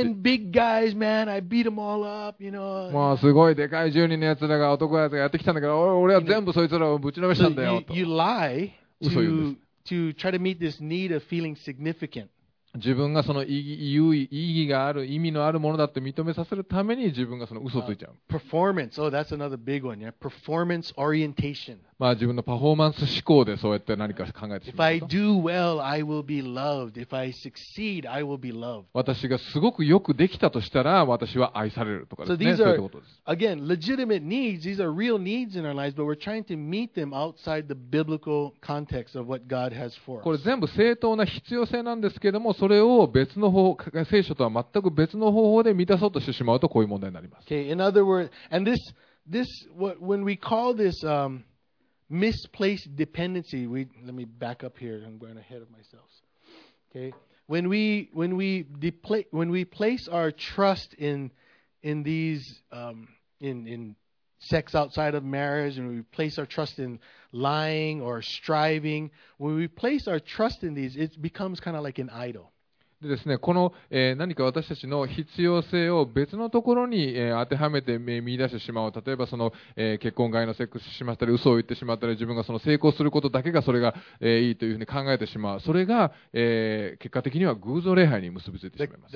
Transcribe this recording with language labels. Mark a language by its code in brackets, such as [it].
[en] Ten big guys, man, I beat them all up, you know. [ja] もうすごいでかい10人のやつらが男やつがやってきたんだけど、俺は全部そいつらをぶちのめしたんだよと。 [en] You lie to try to meet this need of feeling significant. [ja] 自分がその意義がある意味のあるものだって認めさせるために自分がその嘘をついちゃう。 [en] Performance. Oh, that's another big one. Yeah. Performance orientation. [ja] まあ自分のパフォーマンス思考でそうやって何か考えてしまう。 [en] If I do well, I will be loved. If I succeed, I will be loved. [ja] 私がすごくよくできたとしたら私は愛されるとかですね。 [en] So these are, [ja] そういうことです。 [en] Again, legitimate needs. These are real needs in our lives, but we're trying to meet them outside the biblical context of what God has for us. [ja] これ全部正当な必要性なんですけども。それを別の方法、聖書とは全く別の方法で満たそうとしてしまうとこういう問題になります。 [en] Okay, in other words, and this what when we call this misplaced dependency, let me back up here. I'm going ahead of myself. Okay, when we place our trust in these in sex outside of marriage, and we place our trust in lying or striving, when we place our trust in these, it becomes kind of like an idol. [ja] でですね、この、何か私たちの必要性を別のところに、当てはめて見出してしまう、例えばその、結婚外のセックスしましたり、嘘を言ってしまったり、自分がその成功することだけがそれが、いいというふうに考えてしまう、それが、結果的には偶像礼拝に結びついてしまいます。